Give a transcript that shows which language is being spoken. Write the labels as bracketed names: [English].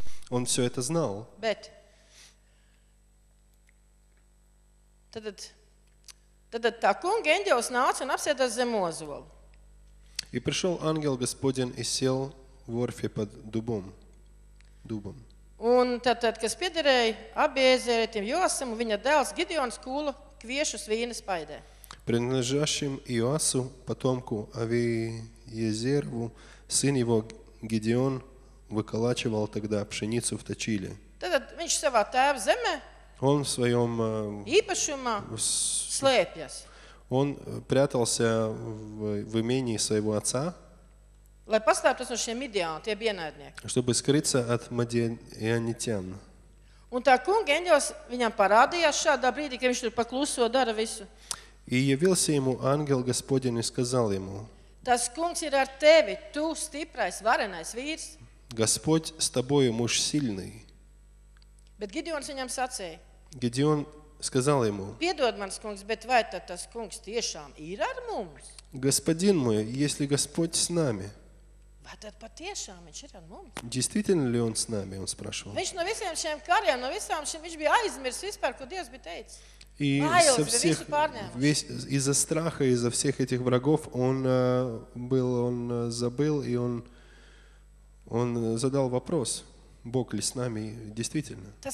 [Russian] Он все это знал. [Latvian] Bet. Tad tā kunga eņģēls nāca un apsēdās zem ozola. [Russian] И пришел ангел Господень и сел в орфе под дубом. [Latvian] Un tad kas piederēja Abiezeretim Josam, viņa dēls Gideons kūlu kviešus vīna spaidē. [Russian] Принадлежащим Иоасу, потомку Авиезерву, сын его Гедеон выколачивал тогда пшеницу в точиле. [Latvian] Tad viņš savā tēva zemē. [Russian] Он в своем [Latvian] īpašumā slēpjas. [Russian] Он прятался в имении своего отца. [Latvian] Lai pastāptos no šiem Midiāna, tie bija ienaidnieki. [Russian] Чтобы скрыться от мадианитян. [Latvian] Un tā kunga eņģēls viņam parādījās šādā brīdī, kad viņš tur pakluso dara visu. [Russian] И явился ему ангел Господень и сказал ему. [Latvian] Tas kungs ir ar tevi, tu stiprais, varenais vīrs. [Russian] Господь с тобою муж сильный. [Latvian] Bet Gideons viņam sacēja. [Russian] Gideon сказал ему. [Latvian] Piedod mans kungs, bet vai tad tas kungs tiešām ir ar mums? [Russian] Господин мой, если Господь с нами. [Latvian] Vai tad patiešām viņš ir ar mums? [Russian] Действительно ли он с нами, он спрашивал. [Latvian] Viņš no visiem šiem kariem, no visām šiem, viņš bija aizmirs vispār, ko Dievs bija teicis. [Russian] И со всех, весь, из-за страха, из-за всех этих врагов он был, он забыл, и он задал вопрос, Бог ли с нами действительно.